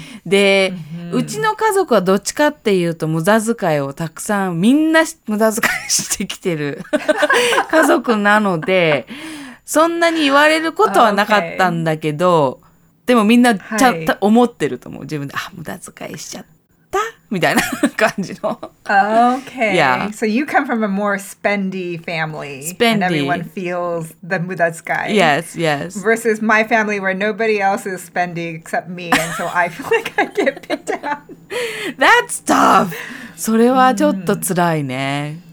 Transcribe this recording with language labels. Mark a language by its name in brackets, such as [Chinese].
[Japanese] で、うちの家族はどっちかっていうと、無駄遣いをたくさん、みんな無駄遣いしてきてる家族なので、そんなに言われることはなかったんだけど、でもみんな、ちゃんと思ってると思う。自分で、あ、無駄遣いしちゃった。みたいな感じの。 [English] Okay. Yeah. So you come from a more spendy family. Spendy. And everyone feels the 無駄遣い. Yes, yes. Versus my family where nobody else is spending except me. And so I feel like I get picked out. That's tough. [Japanese] それはちょっと辛いね。